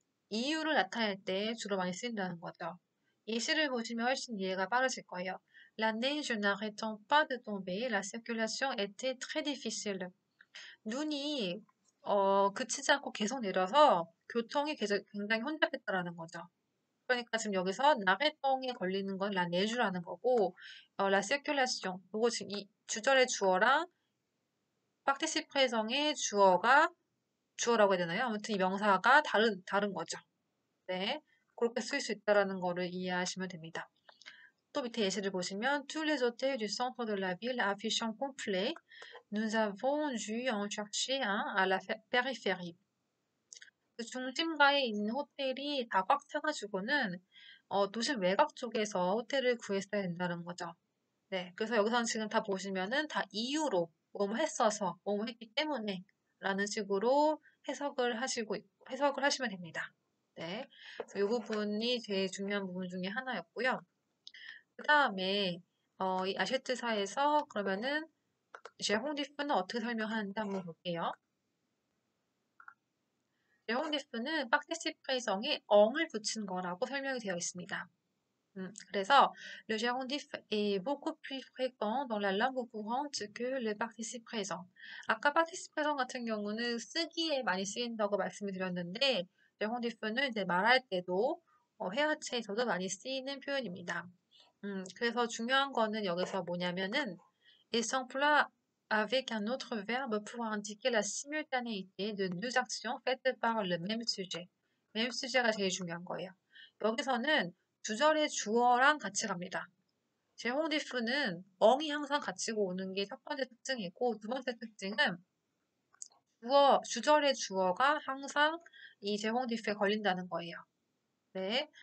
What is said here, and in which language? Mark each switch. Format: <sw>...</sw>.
<ko>이유를 나타낼 때 주로 많이 쓰인다는 거죠. 예시를 보시면 훨씬 이해가 빠르실 거예요.</ko> <fr>La neige n'arrêtant pas de tomber, la circulation était très difficile.</fr> <ko>눈이 그치지 않고 계속 내려서 교통이 계속 굉장히 혼잡했다라는 거죠. 그러니까 지금 여기서 나레똥에 걸리는 건 la neige라는 거고, la circulation, 이거 지금 이 주절의 주어랑 participe présent의 주어라고 해야 되나요? 아무튼 이 명사가 다른 거죠. 네, 그렇게 쓸수 있다라는 거를 이해하시면 됩니다. 또 밑에 예시를 보시면</ko> <fr>Tous les hôtels du centre de la ville affichent un complet. Nous avons dû en chercher un à la périphérie.</fr> <ko>그 중심가에 있는 호텔이 다꽉 차가지고는 도심 외곽 쪽에서 호텔을 구했어야 된다는 거죠. 네, 그래서 여기서는 지금 다 보시면은 다 이유로 뭐뭐 했기 때문에 라는 식으로 해석을 하시면 됩니다. 네. 이 부분이 제일 중요한 부분 중에 하나였고요. 그 다음에, 이 아쉐트사에서 그러면은, 제홍디프는 어떻게 설명하는지 한번 볼게요. 레옹디프는 파르티시피성에 엉을 붙인 거라고 설명이 되어 있습니다. 그래서</ko> <fr>le géondif est beaucoup plus fréquent dans la langue courante que le participe présent.</fr> <ko>아까 participe présent 같은 경우는 쓰기에 많이 쓰인다고 말씀을 드렸는데, le géondif는 이제 말할 때도 회화체에서도 많이 쓰이는 표현입니다. 그래서 중요한 거는 여기서 뭐냐면은</ko> <fr>il s'emploie avec un autre verbe pour indiquer la simultanéité de deux actions faites par le même sujet.</fr> <ko>même sujet가 제일 중요한 거예요. 여기서는 주절의 주어랑 같이 갑니다. 제홍디프는 엉이 항상 같이 오는 게첫 번째 특징이고, 두 번째 특징은 주절의 주어가 항상 이 제홍디프에 걸린다는 거예요. 네.</ko>